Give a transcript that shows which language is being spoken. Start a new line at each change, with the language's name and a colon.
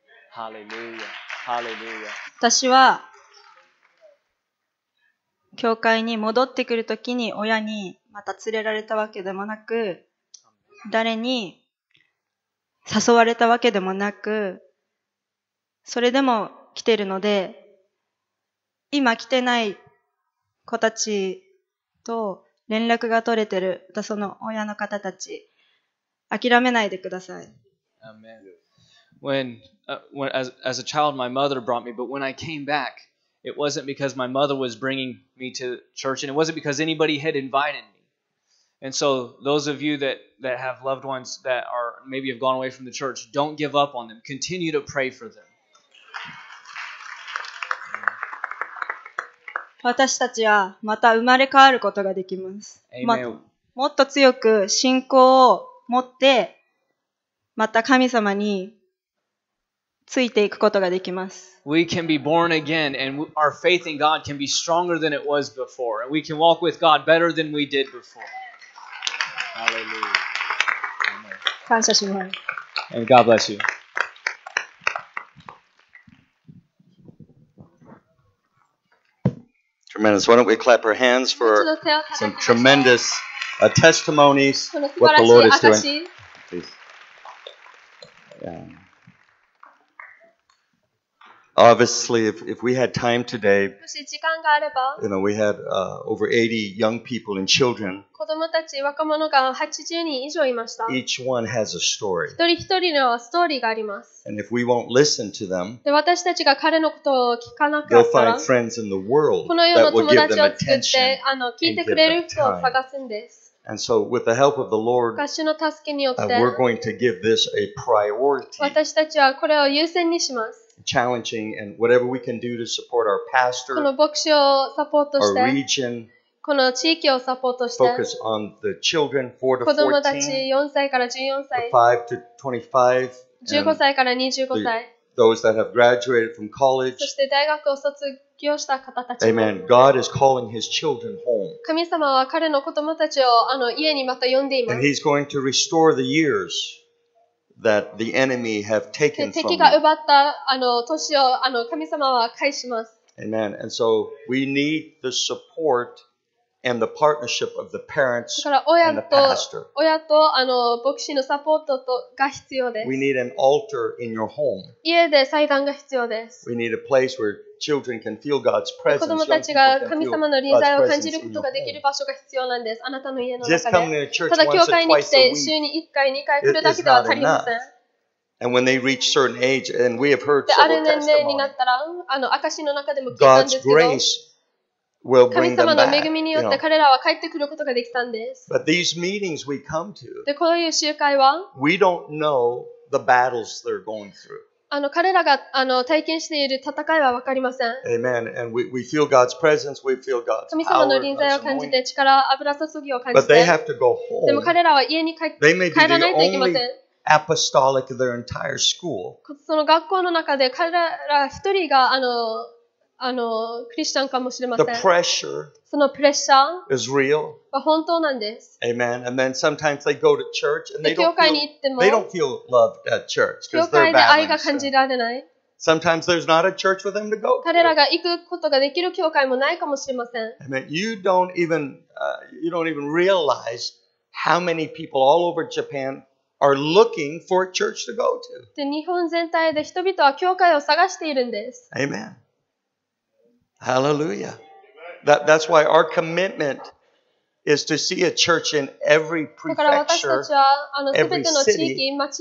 English: Hallelujah. Hallelujah.
Japanese: 私は教会に戻ってくるときに親にまた連れられたわけでもなく、誰に誘われたわけでもなく、それでも来ているので、今来てない子たちと連絡が取れてる、またその親の方たち、諦めないでください。
English: Amen. As a child, my mother brought me, but when I came back,It wasn't because my mother was bringing me to church, and it wasn't because anybody had invited me. And so those of you that have loved ones that are maybe have gone away from the church, don't give up on them. Continue to pray for them.
Japanese: 私たちはまた生まれ変わることができます。もっと強く信仰を持って、また神様に、ついていくことができます。
English: We can be born again, and our faith in God can be stronger than it was before, and we can walk with God better than we did before. Hallelujah.
Japanese: 感謝します。
English: And God bless you. Tremendous. Why don't we clap our hands for some tremendous testimonies what the Lord is doing. Please. Yeah. Obviously, if we had time today, you know, we had over 80 young people and children.
Japanese: 子供たち、若者が80人以上いました。
English: Each one has a story.
Japanese: 一人一人にはストーリーがあります。
English: And if we won't listen to them,
Japanese: で私たちが彼のことを聞かなかったら、
English: they'll find friends in the world
Japanese: この世の友達を作って、聞いてくれる人を探すんです。
English: And so, with the help of the Lord, we're going to give this a priority.
Japanese: 私たちはこれを優先にします。
English: Challenging and whatever we can do to support our pastor,
Japanese: この牧師をサポートして、
English: our region,
Japanese: この地域をサポートして、
English: focus on the children 4 to
Japanese: 14, 子供たち4歳から14歳、
English: the 5 to 25,
Japanese: 15歳から25歳、
English: those that have graduated from college,
Japanese: そして大学を卒業した方たち、
English: Amen. God is calling His children home.
Japanese: 神様は彼の子供たちを家にまた呼んでいます。
English: And He's going to restore the years. That the enemy have taken from.
Japanese: 敵が奪った年を神様は返します。
English: Amen. And so we need the support and the partnership of the parents and the pastor.
Japanese: 親と牧師のサポートとが必要です。
English: We need an altar in your home.
Japanese: 家で祭壇が必要です。
English: We need a place where children can feel God's presence.
Japanese: 子供たちが神様の臨在を感じることができる場所が必要なんです。あなたの家の中で。ただ教会に来て週に1回、2回来るだけでは足りません。
English: And when they reach certain age, and we have heard several testimonies.
Japanese: である年齢になったら、証の中でも聞いたんですけど、
English: God's grace will bring them back.
Japanese: 神様の恵みによって彼らは帰ってくることができたんです。
English: But these meetings we come to,
Japanese: で、こういう集会は、
English: we don't know the battles they're going through.
Japanese: 彼らが体験している戦いは分かりません。
English: Amen. And we feel God's presence, we feel God's power.
Japanese: 神様の臨在を感じて、力、油注ぎを感じて。
English: But they have to go home.
Japanese: でも彼らは家に帰らないといけません。
English: They may be the only apostolic of their entire school.
Japanese: その学校の中で彼ら一人がクリスチャンかもしれません。
English: The pressure
Japanese: そのプレッシャー
English: is real.
Japanese: は本当なんです。
English: Amen. And then sometimes they go to church and they don't feel, loved at church because they're balanced.
Japanese: 教会で愛が感じられない。
English: Sometimes there's not a church for them to go to.
Japanese: 彼らが行くことができる教会もないかもしれません。
English: Amen. You don't even realize how many people all over Japan are looking for a church to go to.
Japanese: で、日本全体で人々は教会を探しているんです。
English: Amen. Hallelujah. That's why our commitment is to see a church in every prefecture, every city.